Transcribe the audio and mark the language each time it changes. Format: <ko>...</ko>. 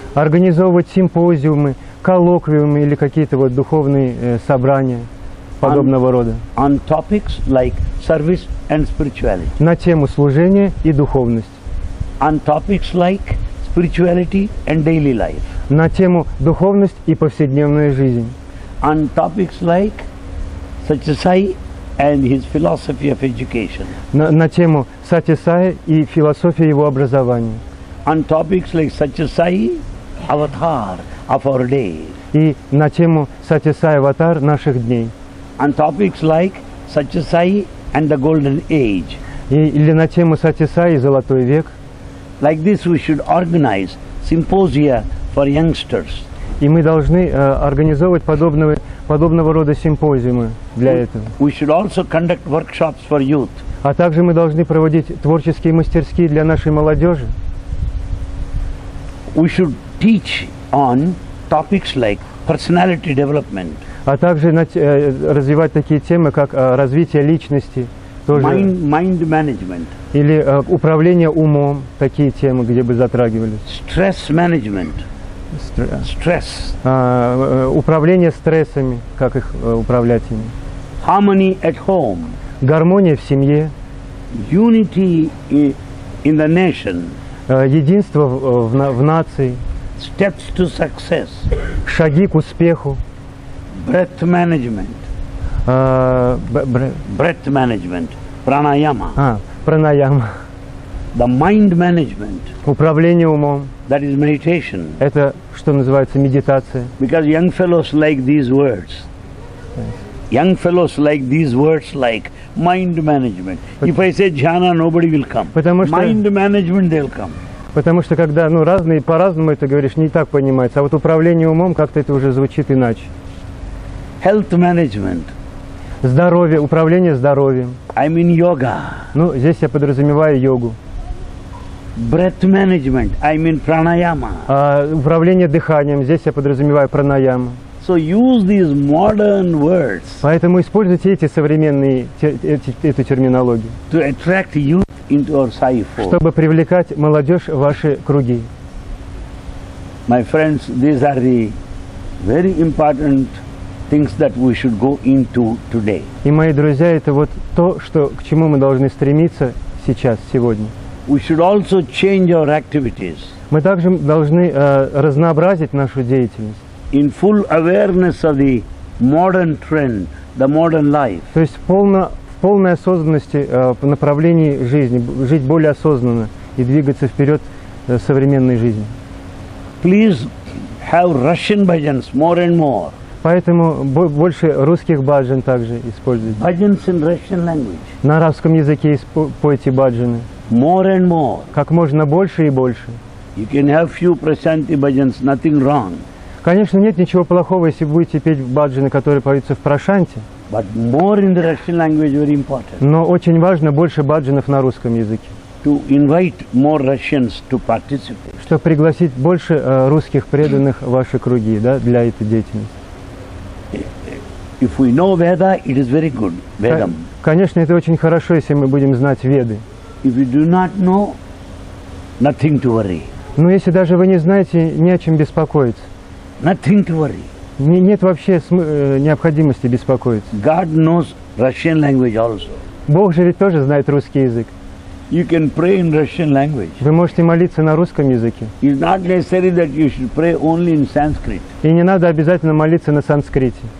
<ru>Организовывать симпозиумы, коллоквиумы или какие-то вот духовные собрания подобного рода.</ru> <en>On topics like service and spirituality.</en> <ru>На тему служения и духовность.</ru> <en>On topics like spirituality and daily life.</en> <ru>На тему духовность и повседневная жизнь.</ru> <en>On topics like Sathya Sai and his philosophy of education.</en> <ru>На тему Сати Сай и философия его образования.</ru> <en>On topics like Sathya Sai avatar of our day.</en> <ru>И на тему Сати Сай аватар наших дней.</ru> <en>On topics like Sathya Sai and the golden age.</en> <ru>Или на тему Сати Сай и золотой век.</ru> <en>Like this we should organize symposia for youngsters.</en> <ru>И мы должны организовывать подобного рода симпозиумы для этого.</ru> <en>We should also conduct workshops for youth.</en> <ru>А также мы должны проводить творческие мастерские для нашей молодежи.</ru> <en>We should teach on topics like personality development.</en> <ru>А также развивать такие темы, как развитие личности. Тоже.</ru> <en>Mind management.</en> <ru>Или управление умом. Такие темы, где бы затрагивались.</ru> <en>Stress management. Stress.</en> <ru>Управление стрессами. Как их управлять ими.</ru> <en>Harmony at home.</en> <ru>Гармония в семье.</ru> <en>Unity in the nation.</en> <ru>Единство в нации.</ru> <en>Steps to success.</en> <ru>Шаги к успеху.</ru> <en>Breath management. Breath management. Pranayama. Pranayama. The mind management.</en> <ru>Управление умом.</ru> <en>That is meditation.</en> <ru>Это что называется медитация.</ru> <en>Because young fellows like these words. Young fellows like these words like mind management. If I say jhana, nobody will come.</en> <ru>Потому что</ru> <en>mind management they'll come.</en> <ru>Потому что когда ну разные по-разному это говоришь, не так понимается. А вот управление умом как-то это уже звучит иначе.</ru> <en>Health management.</en> <ru>Здоровье, управление здоровьем.</ru> <en>I mean yoga.</en> <ru>Ну, здесь я подразумеваю йогу.</ru> <en>Breath management, I mean pranayama.</en> <ru>Управление дыханием, здесь я подразумеваю пранаяму.</ru> <en>So use these modern words.</en> <ru>Поэтому используйте эти современные эту терминологию.</ru> <en>To attract youth into our Sai fold.</en> <ru>Чтобы привлекать молодежь в ваши круги.</ru> <en>My friends, these are the very important things that we should go into today.</en> <ru>И мои друзья, это вот то, что к чему мы должны стремиться сейчас, сегодня.</ru> <en>We should also change our activities.</en> <ru>Мы также должны разнообразить нашу деятельность.</ru> <en>In full awareness of the modern trend, the modern life.</en> <ru>То есть в полной осознанности по направлении жизни, жить более осознанно и двигаться вперед современной жизни.</ru> <en>Please have Russian bhajans more and more.</en> <ru>Поэтому больше русских баджан также используйте.</ru> <en>Bhajans in Russian language.</en> <ru>На арабском языке пойте баджаны.</ru> <en>More and more.</en> <ru>Как можно больше и больше.</ru> <en>You can have few prashanti bhajans, nothing wrong.</en> <ru>Конечно, нет ничего плохого, если будете петь баджаны, которые поются в прашанте.</ru> <en>But more in the Russian language very important.</en> <ru>Но очень важно больше баджанов на русском языке.</ru> <en>To invite more Russians to participate.</en> <ru>Чтобы пригласить больше русских преданных в ваши круги, да, для этой деятельности.</ru> <en>If we know Veda, it is very good. Vedam.</en> <ru>Конечно, это очень хорошо, если мы будем знать Веды.</ru> <en>If you do not know, nothing to worry.</en> <ru>Но если даже вы не знаете, не о чем беспокоиться.</ru> <en>Nothing to worry.</en> <ru>Нет вообще необходимости беспокоиться.</ru> <en>God knows Russian language also.</en> <ru>Бог же ведь тоже знает русский язык.</ru> <en>You can pray in Russian language.</en> <ru>Вы можете молиться на русском языке.</ru> <en>It's not necessary that you should pray only in Sanskrit.</en> <ru>И не надо обязательно молиться на санскрите.</ru>